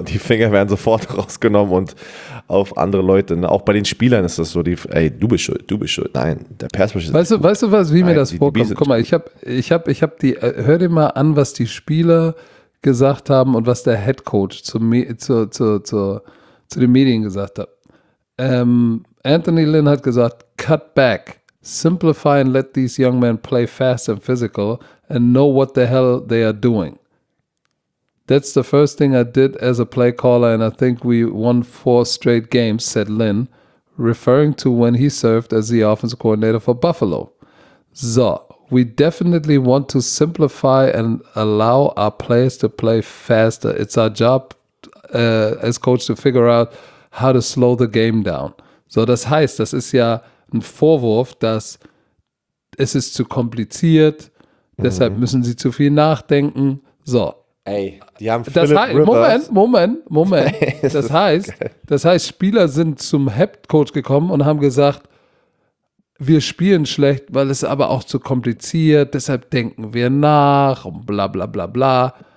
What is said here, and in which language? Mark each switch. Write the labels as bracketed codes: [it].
[de] Die Finger werden sofort rausgenommen und auf andere Leute. Auch bei den Spielern ist das so. Du bist schuld. Nein, der Perspektiv ist. Hör dir mal an, was die Spieler gesagt haben und was der Head Coach zu den Medien gesagt hat. [en] Anthony Lynn [de] hat gesagt, [en] cut back, simplify and let these young men play fast and physical and know what the hell they are doing. That's the first thing I did as a play caller and I think we won 4 straight games, said Lynn, referring to when he served as the offensive coordinator for Buffalo. So, we definitely want to simplify and allow our players to play faster. It's our job as coach to figure out how to slow the game down. [de] So, das heißt, das ist ja ein Vorwurf, dass es ist zu kompliziert, deshalb müssen sie zu viel nachdenken. So. Ey, die haben Philip Rivers. Moment. Das heißt, Spieler sind zum Head Coach gekommen und haben gesagt, wir spielen schlecht, weil es aber auch zu kompliziert, deshalb denken wir nach und bla bla bla bla.